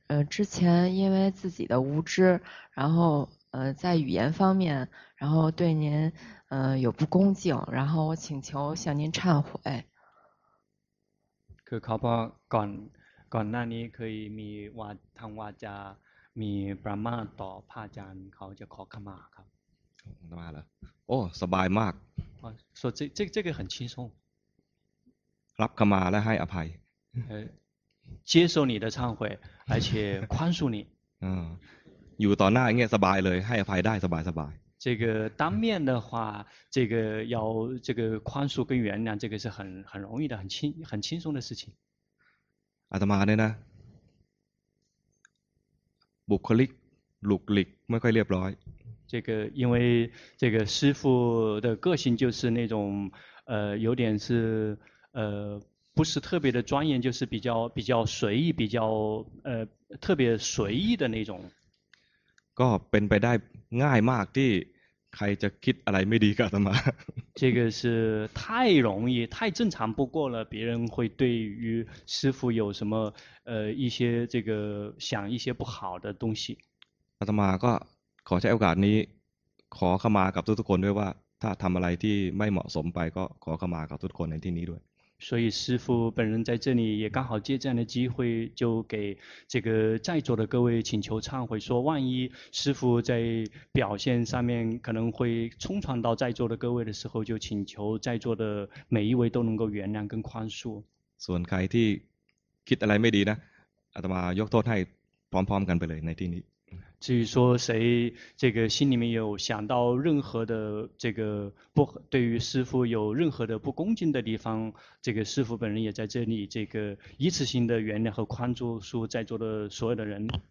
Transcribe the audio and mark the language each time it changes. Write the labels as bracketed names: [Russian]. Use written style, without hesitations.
[Chinese] 之前因为自己的无知，然后在语言方面，然后对您有不恭敬，然后我请求向您忏悔。 [Thai] คือเขาบอกก่อนหน้านี้เคยมีว่าทางวาจามีประมาทต่อพระอาจารย์เขาจะขอขมาครับ มาแล้วโอ้สบายมาก [Chinese] อ๋อ说这个很轻松 [Thai] รับขมาและให้อภัย [Chinese] 接受你的忏悔而且宽恕你 [Thai] อยู่ต่อหน้าอย่างเงี้ยสบายเลยให้อภัยได้สบายสบาย [Chinese] 这个当面的话这个要这个宽恕跟原谅这个是很容易的很轻松的事情 [Thai] อาตมาเนี่ยนะบุคลิกหลุกหลิกไม่ค่อยเรียบร้อย [Chinese] 这个因为这个师父的个性就是那种有点是不是特别的庄严就是比较随意比较特别随意的那种 [Thai] ก็เป็นไปได้ง่ายมากที่ใครจะคิดอะไรไม่ดีกับอาตมา [Chinese] 这个是太容易太正常不过了别人会对于师父有什么一些这个想一些不好的东西 [Thai] อาตมาก็ขอใช้โอกาสนี้ขอขมากับทุกคนด้วยว่าถ้าทำอะไรที่ไม่เหมาะสมไปก็ขอขมากับทุกคนในที่นี้ด้วย [Chinese] 所以师父本人在这里也刚好借这样的机会就给这个在座的各位请求忏悔说万一师父在表现上面可能会冲撞到在座的各位的时候就请求在座的每一位都能够原谅跟宽恕 [Thai] ส่วนใครที่คิดอะไรไม่ดีนะอาตมายกโทษให้พร้อมๆกันไปเลยในที่นี้ [Chinese] 至于说谁这个心里面有想到任何的这个不对于师父有任何的不恭敬的地方这个师父本人也在这里这个一次性的原谅和宽恕说在座的所有的人